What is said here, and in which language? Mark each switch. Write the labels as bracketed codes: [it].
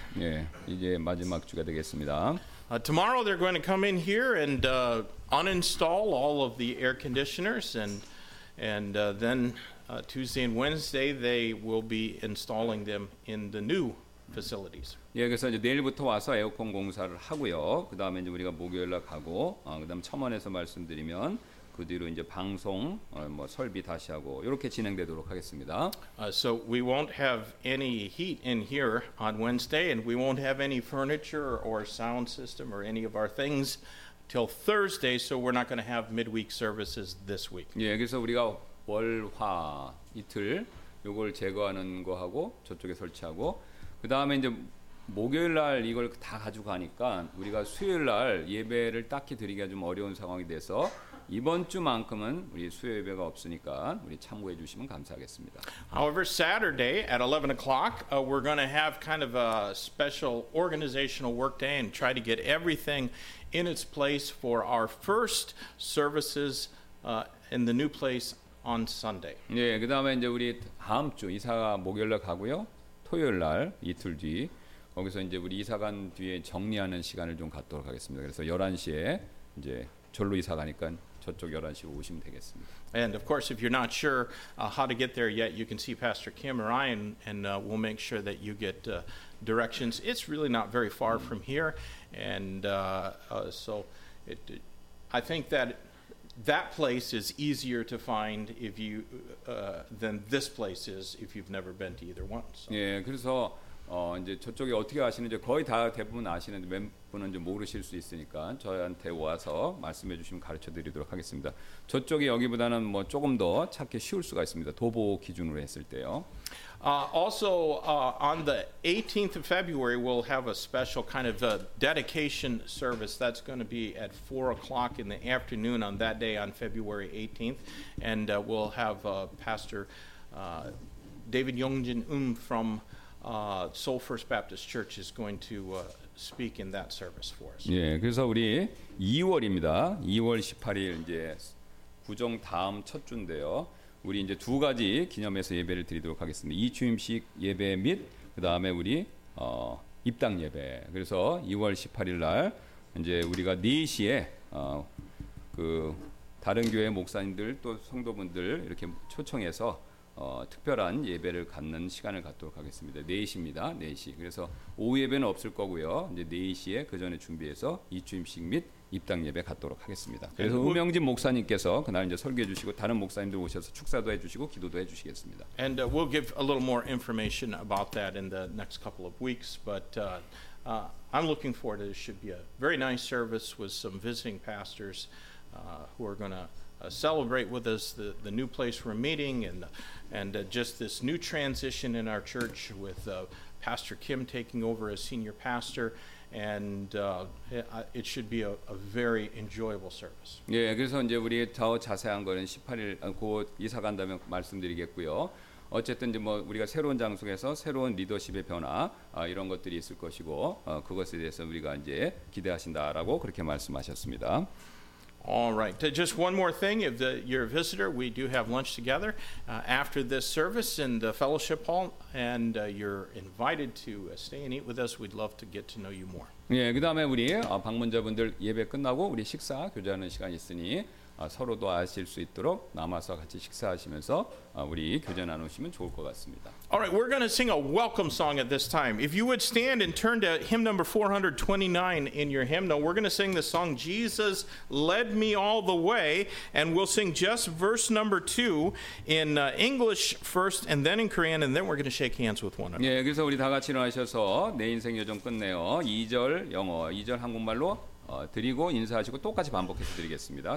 [ko] 예, 이제 마지막 주가 되겠습니다. [en] Tomorrow they're going to come in here and uninstall all of the air conditioners, and then Tuesday and Wednesday they will be installing them in the new facilities. [ko] 예, 그래서 이제 내일부터 와서 에어컨 공사를 하고요. 그다음에 이제 우리가 목요일날 가고 그다음 첨언에서 말씀드리면 그 뒤로 이제 방송 뭐 설비 다시 하고 이렇게 진행되도록 하겠습니다. [en] So we won't have any heat in here on Wednesday and we won't have any furniture or sound system or any of our things till Thursday, so we're not going to have midweek services this week. [ko] 예, 그래서 우리가 월, 화, 이틀 요걸 제거하는 거 하고 저쪽에 설치하고 그다음에 이제 목요일 날 이걸 다 가지고 가니까 우리가 수요일 날 예배를 딱히 드리기가 좀 어려운 상황이 돼서 이번 주만큼은 우리 수요 예배가 없으니까 우리 참고해 주시면 감사하겠습니다. [en] However, Saturday at 11 o'clock, we're going to have kind of a special organizational work day and try to get everything in its place for our first services in the new place on Sunday. [ko] 네, 그다음에 이제 우리 다음 주 이사가 목요일 날 가고요. 토요일 날 이틀 뒤 거기서 이제 우리 이사 간 뒤에 정리하는 시간을 좀 갖도록 하겠습니다. 그래서 11시에 이제 절로 이사 가니까 저쪽 11시에 오시면 되겠습니다. [en] And of course if you're not sure how to get there yet, you can see Pastor Kim or I and we'll make sure that you get directions. It's really not very far from here and so I think that place is easier to find if you than this place is if you've never been to either one. So. [ko] 예, 그래서 이제 저쪽에 어떻게 아시는지 거의 다 대부분 아시는데 몇 분은 좀 모르실 수 있으니까 저한테 와서 말씀해 주시면 가르쳐 드리도록 하겠습니다. 저쪽이 여기보다는 뭐 조금 더 찾기 쉬울 수가 있습니다. 도보 기준으로 했을 때요. [en] Also, on the 18th of February, we'll have a special kind of a dedication service. That's going to be at 4 o'clock in the afternoon on that day on February 18th. And we'll have Pastor David Yongjin from Seoul First Baptist Church is going to speak in that service for us. [ko] 예, 그래서 우리 2월입니다. 2월 18일 이제 구정 다음 첫 주인데요. 우리 이제 두 가지 기념해서 예배를 드리도록 하겠습니다. 이주임식 예배 및 그다음에 우리 입당 예배. 그래서 2월 18일 날 이제 우리가 4시에 그 다른 교회 목사님들 또 성도분들 이렇게 초청해서 특별한 예배를 갖는 시간을 갖도록 하겠습니다. 4시입니다. 4시. 그래서 오후 예배는 없을 거고요. 이제 4시에 그 전에 준비해서 이주임식 및 입당 예배 갖도록 하겠습니다. 그래서 우명진 목사님께서 그날 이제 설교해 주시고 다른 목사님들 오셔서 축사도 해 주시고 기도도 해 주시겠습니다. [en] And we'll give a little more information about that in the next couple of weeks, but I'm looking forward to it. It should be a very nice service with some visiting pastors who are going to celebrate with us the new place we're meeting and just this new transition in our church with Pastor Kim taking over as senior pastor. And it should be a very enjoyable service. [ko] 예, 그래서 이제 우리 더 자세한 거는 18일 곧 이사 간다면 말씀드리겠고요. 어쨌든 이제 뭐 우리가 새로운 장소에서 새로운 리더십의 변화 이런 것들이 있을 것이고 그것에 대해서 우리가 이제 기대하신다라고 그렇게 말씀하셨습니다. [en] All right. Just one more thing. If you're a visitor, we do have lunch together after this service in the fellowship hall, and you're invited to stay and eat with us. We'd love to get to know you more. [ko] 예, 그다음에 우리 방문자분들 예배 끝나고 우리 식사 교제하는 시간 있으니 서로도 아실 수 있도록 남아서 같이 식사하시면서 우리 교제 나누시면 좋을 것 같습니다. [en] All right, we're going to sing a welcome song at this time. If you would stand and turn to hymn number 429 in your hymnal, we're going to sing the song Jesus Led Me All the Way, and we'll sing just verse number 2 in English first and then in Korean, and then we're going to shake hands with one another. [ko] 예, 그래서 우리 다 같이 일어나셔서 내 인생 여정 끝내어 2절 영어, 2절 한국말로 드리고 인사하시고 똑같이 반복해서 드리겠습니다.